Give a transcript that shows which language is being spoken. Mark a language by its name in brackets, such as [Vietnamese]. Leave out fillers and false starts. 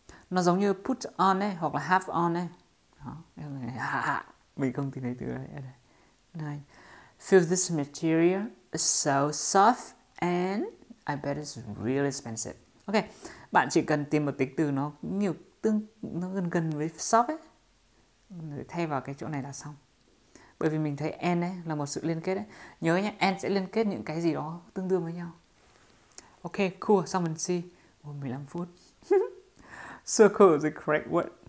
[Vietnamese] Nó giống như put on ấy hoặc là have on ấy. Đó, cái này mình không tìm thấy từ đấy. [English] Này, feel this material is so soft and I bet it's really expensive. [Vietnamese] Ok, bạn chỉ cần tìm một tính từ nó nhiều tương, nó gần gần với shop ấy, để thay vào cái chỗ này là xong. Bởi vì mình thấy and ấy là một sự liên kết ấy. Nhớ nhé, and sẽ liên kết những cái gì đó tương đương với nhau. Ok, cool, xong mình see. Ủa, 15 phút. [English] Circle the correct word.